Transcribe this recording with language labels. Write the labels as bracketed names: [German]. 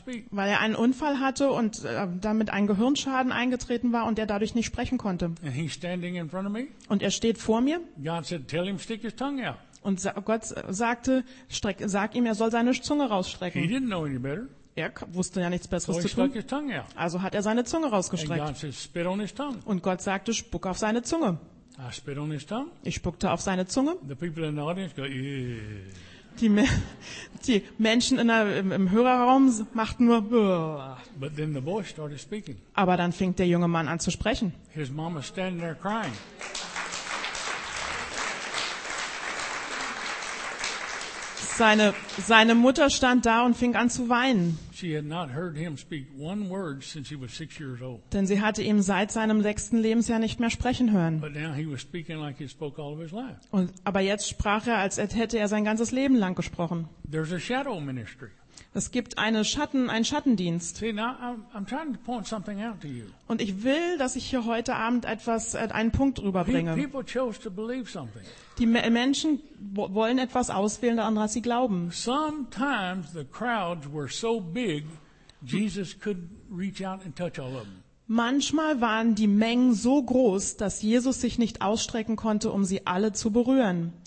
[German] Weil er einen Unfall hatte und damit ein Gehirnschaden eingetreten war und er dadurch nicht sprechen konnte. [English] And he's standing in front of me. [German] Und er steht vor mir. [English] God said, tell him, stick his tongue out. [German] Und Gott sagte, sag ihm, er soll seine Zunge rausstrecken. [English] He didn't know any better. [German] Er wusste ja nichts Besseres so zu tun. Also hat er seine Zunge rausgestreckt. [English] And God said, spit on his tongue. [German] Und Gott sagte, spuck auf seine Zunge. [English] I spit on his tongue. [German] Ich spuckte auf seine Zunge. [English] The people in the audience go, yeah. [German] Die Menschen im Hörerraum machten nur. [English] But then the boy started speaking. [German] Aber dann fing der junge Mann an zu sprechen. [English] His mama standing there crying. [German] Seine Mutter stand da und fing an zu weinen. [English] She had not heard him speak one word since he was 6 years old. [German] Denn sie hatte ihn seit seinem 6. Lebensjahr nicht mehr sprechen hören. [English] But now he was speaking like he spoke all of his life. [German] Aber jetzt sprach er, als hätte er sein ganzes Leben lang gesprochen. [English] There's a shadow ministry. [German] Es gibt einen Schattendienst. [English] See, now I'm trying to point something out to you. [German] Und ich will, dass ich hier heute Abend einen Punkt rüberbringe. [English] People chose to believe something. [German] Die Menschen wollen etwas auswählen, daran, was sie glauben. [English] Sometimes the crowds were so big, Jesus could reach out and touch all of them. [German] Manchmal waren die Mengen so groß, dass Jesus sich nicht ausstrecken konnte, um sie alle zu berühren.